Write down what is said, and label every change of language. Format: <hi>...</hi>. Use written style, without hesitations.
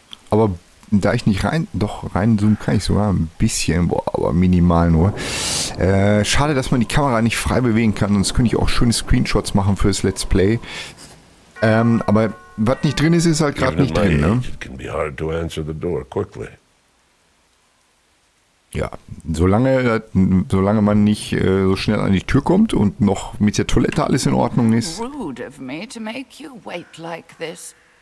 <de>Aber da ich nicht rein, doch reinzoomen kann ich sogar ein bisschen, boah, aber minimal nur. Schade, dass man die Kamera nicht frei bewegen kann, sonst könnte ich auch schöne Screenshots machen fürs Let's Play. Aber was nicht drin ist, ist halt gerade nicht drin, ne?</de> <en>It can be hard to answer the door quickly.</en> <de>Ja, solange man nicht so schnell an die Tür kommt und noch mit der Toilette alles in Ordnung ist.</de> <en>Rude of me to make you wait like this.</en>